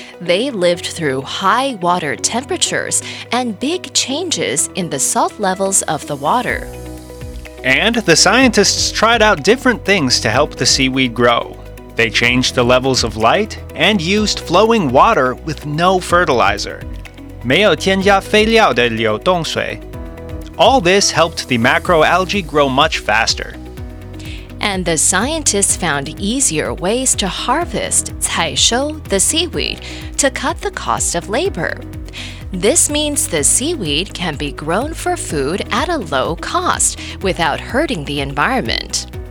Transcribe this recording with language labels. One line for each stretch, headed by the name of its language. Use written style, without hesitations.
English: They lived through high water temperatures and big changes in the salt levels of the water. And the scientists tried out different things to help the seaweed grow. They changed the levels of light and used flowing water with no fertilizer.
Chinese: 沒有添加肥料的流動水。
English: All this helped the macroalgae grow much faster. And the scientists found easier ways to harvest 采收 the seaweed to cut the cost of labor. This means the seaweed can be grown for food at a low cost without hurting the environment.